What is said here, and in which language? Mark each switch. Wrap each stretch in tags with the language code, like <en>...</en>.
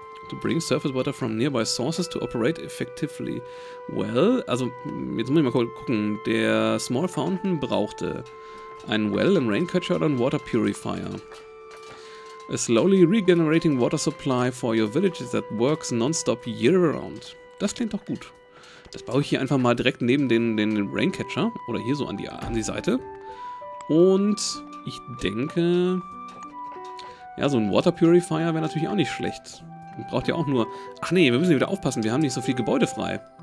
<en>To bring surface water from nearby sources to operate effectively.</en> <de>Well, also, jetzt muss ich mal gucken. Der Small Fountain brauchte einen Well, einen Raincatcher oder einen Water Purifier.</de> <en>A slowly regenerating water supply for your village that works nonstop year round.</en> <de>Das klingt doch gut. Das baue ich hier einfach mal direkt neben den Raincatcher. Oder hier so an die Seite. Und ich denke, ja, so ein Water Purifier wäre natürlich auch nicht schlecht. Man braucht ja auch nur... Ach nee, wir müssen wieder aufpassen. Wir haben nicht so viel Gebäude frei.</de>